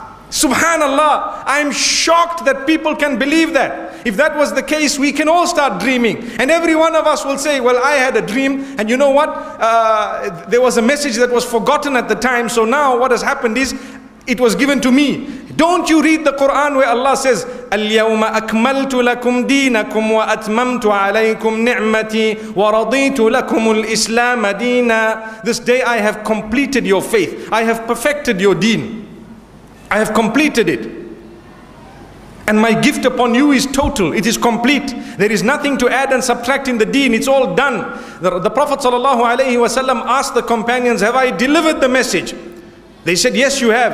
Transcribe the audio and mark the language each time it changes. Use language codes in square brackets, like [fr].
[en] Subhanallah, I'm shocked that people can believe that. If that was the case, we can all start dreaming. And every one of us will say, well, I had a dream. And you know what? There was a message that was forgotten at the time. So now what has happened is, it was given to me. Don't you read the Quran where Allah says, [ar] اليوم أكملت لكم دينكم وأتممت عليكم نعمتي ورضيت لكم الإسلام دينا. [en] This day I have completed your faith. I have perfected your deen. I have completed it. And my gift upon you is total, it is complete. There is nothing to add and subtract in the deen, it's all done. The Prophet [ar] sallallahu alayhi wasallam [en] asked the companions, have I delivered the message? They said, yes, you have.